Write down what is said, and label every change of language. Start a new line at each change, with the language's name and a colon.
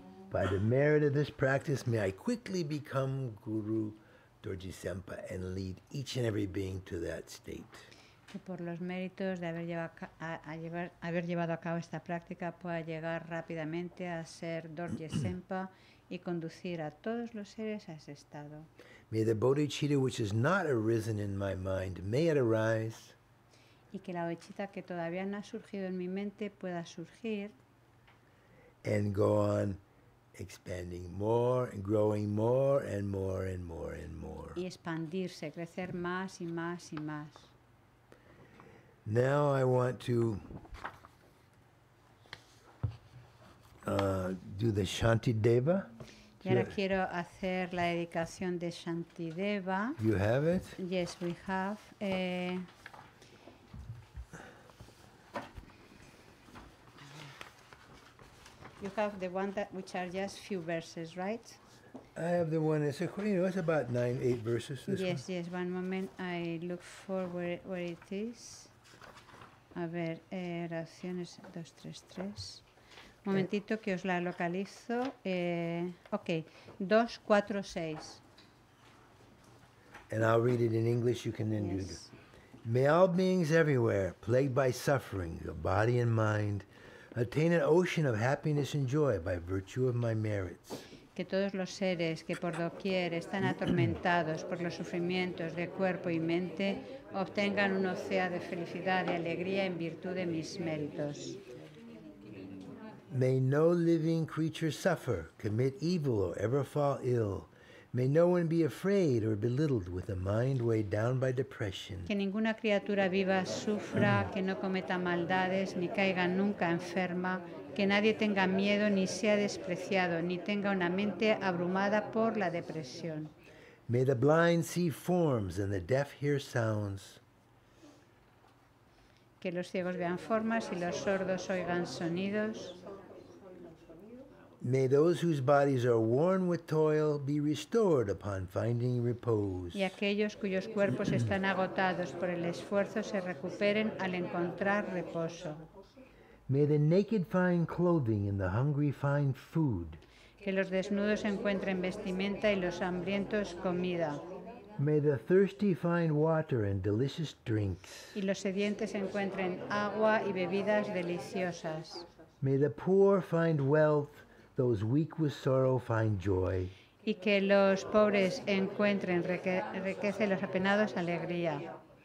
English: By the merit of this practice, may I quickly become Guru Dorji Sempa and lead each and every being to that state.
Spanish: Que por los méritos de haber llevado a cabo esta práctica pueda llegar rápidamente a ser Dorji Sempa y conducir a todos los seres a ese estado.
English: May the bodhicitta which has not arisen in my mind, may it arise.
Spanish: Y que la bodhicitta que todavía no ha surgido en mi mente pueda surgir.
English: And go on expanding more and growing more and more and more and more.
Spanish: Y expandirse, crecer más y más y más.
English: Now I want to do the Shantideva.
Spanish: Y ahora quiero hacer la dedicación de Shantideva.
English: You have it? Yes, we have. You have the one that which are just few verses, right? I have the one that's, you know, it's about 9-8 verses. Yes, one moment. I look for where it is.
Spanish: A ver, oraciones 233. Momentito que os la localizo.
English: Okay, 2-4-6. And I'll read it in English, you can then do it. May all beings everywhere, plagued by suffering, your body and mind, attain an ocean of happiness and joy by virtue of my merits.
Spanish: Que todos los seres que por doquier están atormentados por los sufrimientos de cuerpo y mente obtengan un océano de felicidad y alegría en virtud de mis méritos.
English: May no living creature suffer, commit evil, or ever fall ill. May no one be afraid or belittled with a mind weighed down by depression.
Spanish: Que ninguna criatura viva sufra, que no cometa maldades, ni caiga nunca enferma. Que nadie tenga miedo, ni sea despreciado, ni tenga una mente abrumada por la depresión.
English: May the blind see forms and the deaf hear sounds.
Spanish: Que los ciegos vean formas y los sordos oigan sonidos.
English: May those whose bodies are worn with toil be restored upon finding repose.
Spanish: Y aquellos cuyos cuerpos están agotados por el esfuerzo se recuperen al encontrar reposo.
English: May the naked find clothing and the hungry find food.
Spanish: Que los desnudos encuentren vestimenta y los hambrientos comida.
English: May the thirsty find water and delicious drinks.
Spanish: Y los sedientes encuentren agua y bebidas deliciosas.
English: May the poor find wealth. Those weak with sorrow find joy.
Spanish: Y que los pobres encuentren riqueza y los apenados alegría.